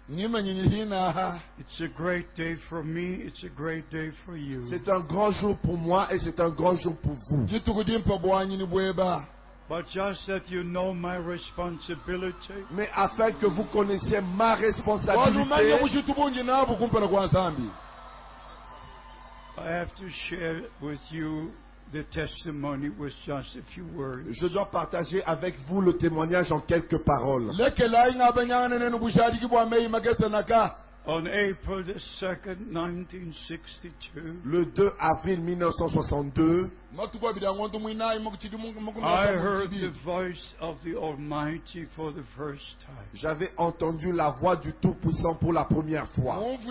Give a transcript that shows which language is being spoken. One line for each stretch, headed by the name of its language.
English: It's a great day for me, it's a great day for you.
French: C'est un grand jour pour moi et c'est un grand jour pour vous.
English: But just that you know my responsibility.
French: Mais afin que vous connaissiez ma responsabilité.
English: I have to share with you the testimony was just a few words.
French: Je dois partager avec vous le témoignage en quelques paroles.
English: On April 2nd, 1962.
French: Le 2 avril 1962.
English: I heard the voice of the Almighty for the first time.
French: J'avais entendu la voix du Tout-Puissant pour la première fois.